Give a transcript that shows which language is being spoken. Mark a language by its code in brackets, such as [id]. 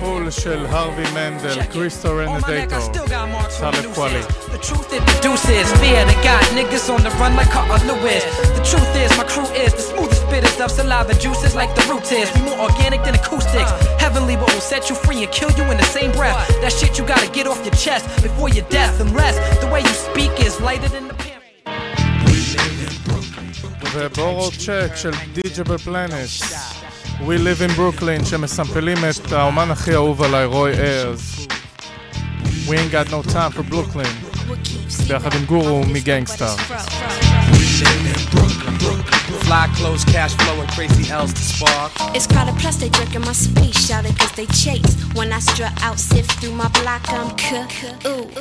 [he] של הרווי מנדל, קריסטו רנדטו, סלב קואלי. [en] The truth it produces, fear to God, niggas on the run like Carter Lewis. The truth is, my crew is the smoothest bitters of saliva juices like the roots is. We more organic than acoustics. Heavenly, what will set you free and kill you in the same breath? That shit you gotta get off your chest before your death. Unless the way you speak is lighter than the [he] pyramid. ובורו צ'ק של דיג'בל פלנט. We Live in Brooklyn, שמסמפלים את האומן הכי אהוב עליי, רוי איירס. We Ain't Got No Time for Brooklyn, ביחד עם גורו מגנגסטאר. [en] Fly clothes, cash flow, and crazy L's to spark. It's called a plus, they jerking my space, shouting cause they chase. When I strut out, sift through my block, I'm cuckoo.